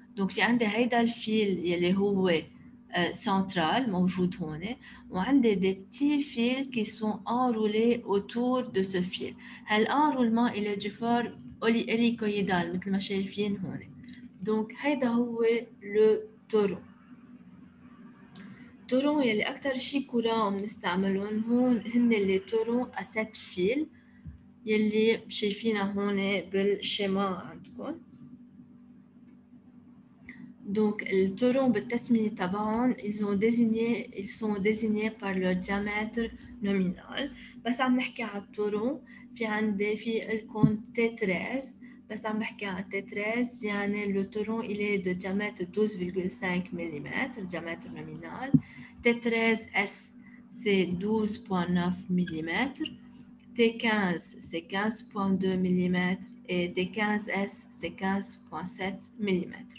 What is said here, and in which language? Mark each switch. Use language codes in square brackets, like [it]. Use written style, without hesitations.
[fr] Donc, il y a un fil qui est central, on a des petits fils qui sont enroulés autour de ce fil. L'enroulement il est du fort hélicoïdal, comme on voit ici. Donc, c'est le تورون. [ar] تورون يلي أكتر شي كوران بنستعملون هون هن اللي تورون أسات فيل يلي شايفينه هون بالشيما عندكم. دونك التورون بالتسمية تبعهم [fr] ils sont désignés par leur diamètre nominal. [ar] بس عم نحكي على التورون في عندي في الكون تيتريز. [fr] Mais ça me fait un T13, le toron il est de diamètre 12,5 mm, diamètre nominal. T13S, c'est 12,9 mm. T15, c'est 15,2 mm. Et T15S, c'est 15,7 mm.